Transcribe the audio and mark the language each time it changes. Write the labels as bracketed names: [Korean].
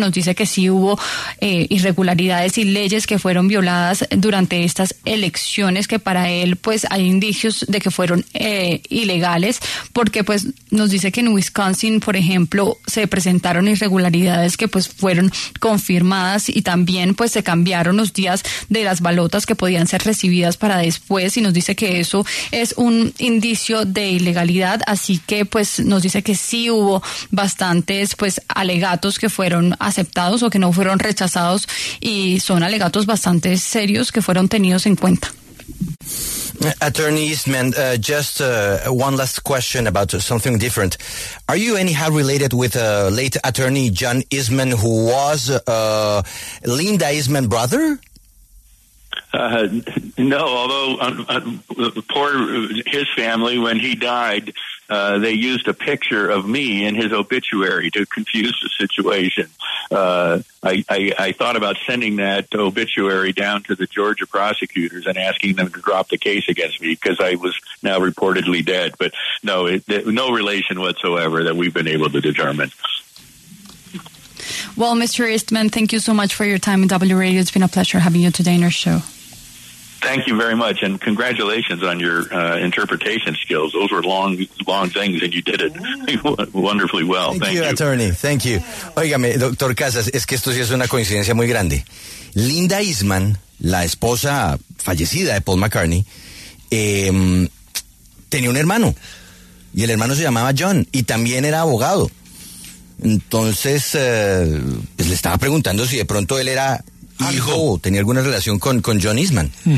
[Spanish] Nos dice que sí hubo irregularidades y leyes que fueron violadas durante estas elecciones, que para él pues hay indicios de que fueron ilegales, porque pues nos dice que en Wisconsin, por ejemplo, se presentaron irregularidades que pues fueron confirmadas, y también pues se cambiaron los días de las balotas que podían ser recibidas para después, y nos dice que eso es un indicio de ilegalidad. Así que pues nos dice que sí hubo bastantes pues alegatos que fueron aceptados o que no fueron rechazados, y son alegatos bastante serios que fueron tenidos en cuenta. [English] Attorney Eastman, one last question about something different. Are you anyhow related with late attorney John Eastman, who was Linda Eastman's brother? No, although poor his family, when he died, they used a picture of me in his obituary to confuse the situation. I thought about sending that obituary down to the Georgia prosecutors and asking them to drop the case against me because I was now reportedly dead. But no, no relation whatsoever that we've been able to determine. Well, Mr. Eastman, thank you so much for your time in W Radio. It's been a pleasure having you today on our show. Thank you very much, and congratulations on your interpretation skills. Those were long, long things, and you did it wonderfully well. Thank you, attorney. Thank you. [Spanish] Óigame, doctor Casas, es que esto sí es una coincidencia muy grande. Linda Eastman, la esposa fallecida de Paul McCartney, tenía un hermano, y el hermano se llamaba John, y también era abogado. Entonces, pues le estaba preguntando si de pronto él era hijo, tenía alguna relación con John Eastman.